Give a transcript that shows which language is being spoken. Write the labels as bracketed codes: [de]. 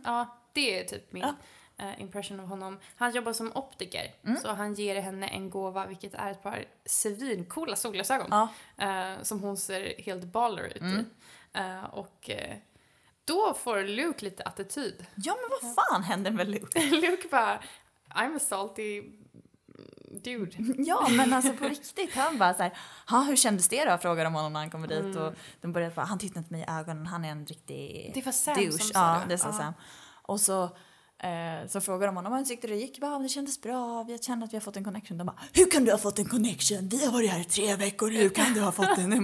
[sv] Ja, det är typ min... Ja. Impression av honom. Han jobbar som optiker. Mm. Så han ger henne en gåva, vilket är ett par svincoola solglasögon. Ja. Som hon ser helt baller ut i. Och då får Luke lite attityd. Ja, men vad fan händer med Luke? [en] Luke [sv] bara, [en] I'm a salty dude. [sv] Ja, men alltså på riktigt. Han bara så här, hur kändes det då? Frågar de honom när han kommer dit. Och de började bara, han tittar inte mig i ögonen. Han är en riktig douche. Det var Sam douche. Som sa det. Ja, det sa Sam. Och så Så frågade de honom om ansiktet, det gick bra, det kändes bra, vi kände att vi har fått en connection. De bara, hur kan du ha fått en connection? Vi har varit här i 3 veckor, hur kan du ha fått den?